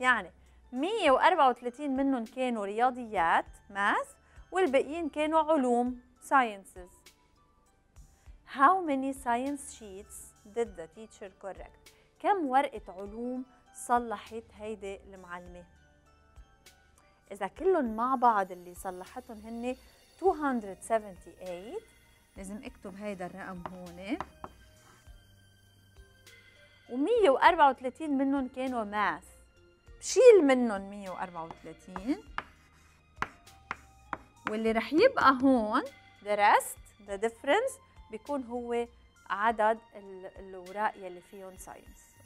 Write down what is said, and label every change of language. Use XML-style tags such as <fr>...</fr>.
<ar>يعني 134 منهم كانوا رياضيات math والباقيين كانوا علوم sciences.</ar> <en>How many science sheets did the teacher correct?</en> <ar>كم ورقة علوم صلحت هيدي المعلمة؟ إذا كلهم مع بعض اللي صلحتهم هن 278، لازم اكتب هيدا الرقم هون، و134 منهم كانوا ماث، بشيل منهم 134 واللي رح يبقى هون</ar> <en>the rest the difference</en> <ar>بيكون هو عدد الاوراق يلي فيهم ساينس.</ar>